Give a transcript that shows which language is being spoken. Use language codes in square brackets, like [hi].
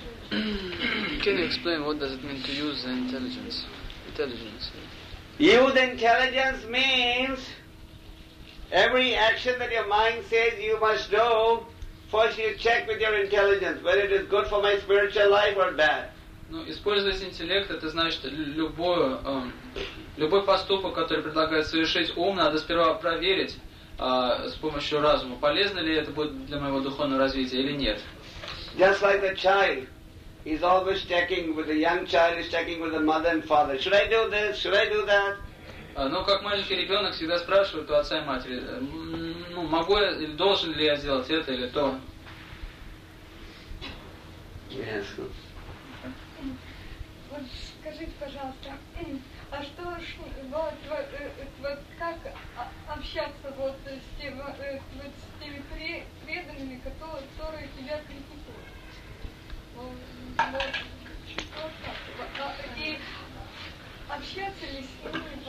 [en] Can you explain what does it mean to use the intelligence? Intelligence. Use intelligence means every action that your mind says you must do, first you check with your intelligence whether it is good for my spiritual life or bad. [ru] Ну, использовать интеллект, это значит, любой поступок, который предлагает совершить ум, надо сперва проверить с помощью разума, полезно ли это будет для моего духовного развития или нет. [en] Just like the child. He's always checking with the young child, he's checking with the mother and father. Should I do this? Should I do that? [ru] Ну, как маленький ребенок всегда спрашивает у отца и матери, ну, могу я, или должен ли я сделать это или то? [en] Yes. [ru] Вот скажите, пожалуйста, а что ж, вот как общаться вот с теми преданными, которые тебя критикуют?